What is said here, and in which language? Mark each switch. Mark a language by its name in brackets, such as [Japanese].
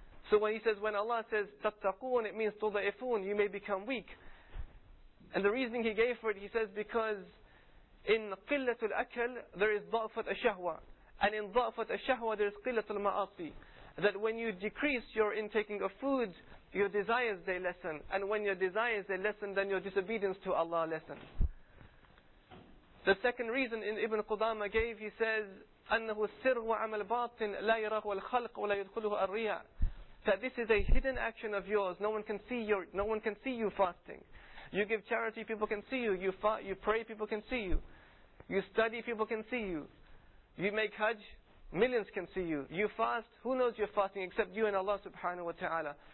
[English] So when he says, when Allah says تَتَّقُونَ, it means تُضْعِفُونَ, you may become weak. And the reasoning he gave for it, he says, because in qillatul akal there is da'fat ash-shahwa, and in da'fat ash-shahwa there is qillatul ma'asi. That when you decrease your intaking of food, your desires they lessen, and when your desires they lessen, then your disobedience to Allah lessens. The second reason in Ibn Qudama gave, he says, [Arabic] أنه السر وعمل باطن لا يراه الخلق ولا يدخله الرياء. [English] That this is a hidden action of yours. No one can see you fasting. You give charity, people can see you. You pray, people can see you. You study, people can see you. You make hajj, millions can see you. You fast, who knows you're fasting except you and Allah subhanahu wa ta'ala.